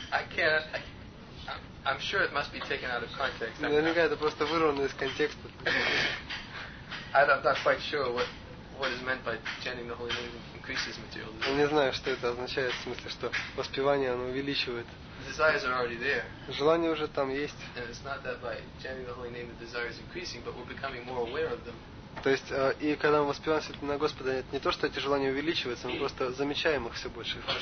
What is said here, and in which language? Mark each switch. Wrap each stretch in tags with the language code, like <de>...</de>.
<en>I'm sure it must be taken out of context.</en> <ru>Наверняка это просто вырвано из контекста.</ru> <en>I'm not quite sure what is meant by chanting the holy name increases material desire.</en> <ru>Я не знаю, что это означает, в смысле, что воспевание оно увеличивает.</ru> <en>Desires are already there.</en> <ru>Желание уже там есть.</ru> <en>And it's not that by chanting the holy name the desire is increasing, but we're becoming more aware of them.</en> <ru>То есть, и когда мы воспеваем Святого Господа, это не то, что эти желания увеличиваются, мы просто замечаем их все больше.</ru>